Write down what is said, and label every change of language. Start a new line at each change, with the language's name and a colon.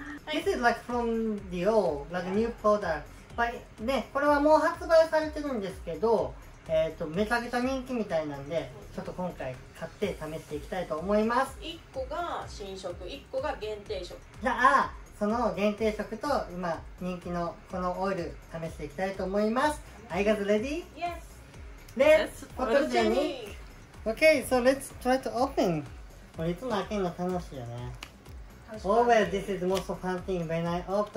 English: This is like from Dior, like new product. But
Japanese: ね、これはもう発売されてるんですけど。めちゃくちゃ人気みたいなんで、ちょっと今回買って試していきたいと思います。 1個が新色、1個が限定色。じゃあその限定色と今人気のこのオイル試していきたいと思います。
English: I got ready? Yes! Let's フォトジェニック。Okay, so let's try to open.
Japanese: これいつも開けるの楽しいよね。
English: Always this is the most fun thing when I open it.